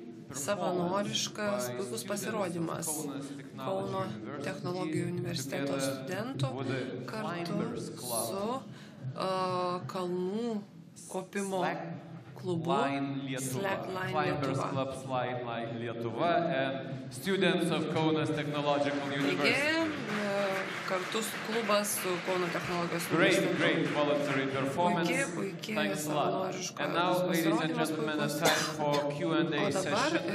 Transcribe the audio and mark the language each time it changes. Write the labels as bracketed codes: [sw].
[lt] savanoriškas, puikus pasirodymas Kauno technologijų universiteto studentų kartu su kalnų kopimo klubu [en] Slackline Lietuva and students of Kaunas Technological University. [lt] Kartu su klubas su Kauno technologijos [en] universitetu. Great, great voluntary performance. Thanks a lot. And now, ladies and gentlemen, it's time for Q&A session.